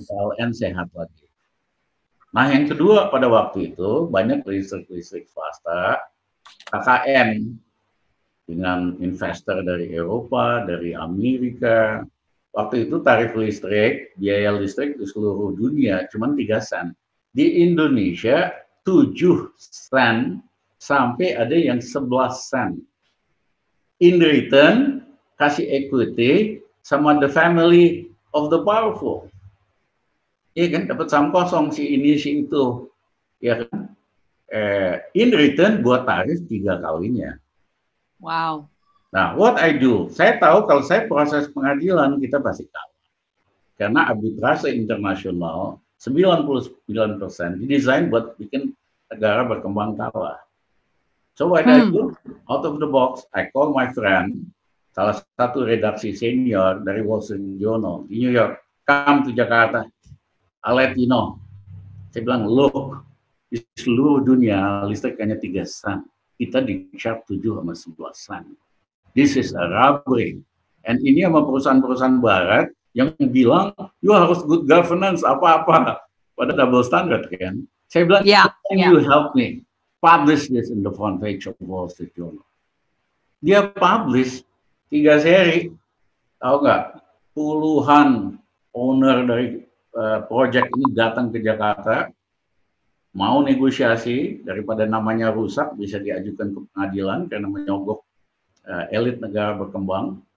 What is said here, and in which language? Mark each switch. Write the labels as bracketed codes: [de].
[id] PLN sehat lagi. Nah, yang kedua pada waktu itu banyak listrik-listrik swasta, KKN dengan investor dari Eropa, dari Amerika. Waktu itu tarif listrik, biaya listrik di seluruh dunia cuma 3 sen. Di Indonesia 7 sen sampai ada yang 11 sen. [en] In return, kasih equity sama the family of the powerful. [id] Iya kan, dapat saham kosong si ini, si itu. Ya kan? [en] In return, [id] buat tarif 3 kalinya. Wow. Nah, [en] what I do? [id] Saya tahu kalau saya proses pengadilan, kita pasti kalah. Karena arbitrase internasional, 99% didesain buat bikin negara berkembang kalah. [en] So what I do? Out of the box, I call my friend, [id] salah satu redaksi senior dari Wall Street Journal di New York, [en] come to Jakarta. I'll let you know. [id] Saya bilang, look, di seluruh dunia listrik hanya 3 sen. Kita di chart 7 sama 11 sen. [en] This is a robbery. [id] And ini sama perusahaan-perusahaan barat yang bilang, you harus good governance apa-apa. Pada double standard, kan? Saya bilang, [en] can you help me? Publish this in the front page of Wall Street Journal. [id] Dia publish 3 seri. Tahu nggak? Puluhan owner dari proyek ini datang ke Jakarta, mau negosiasi, daripada namanya rusak, bisa diajukan ke pengadilan karena menyogok elit negara berkembang.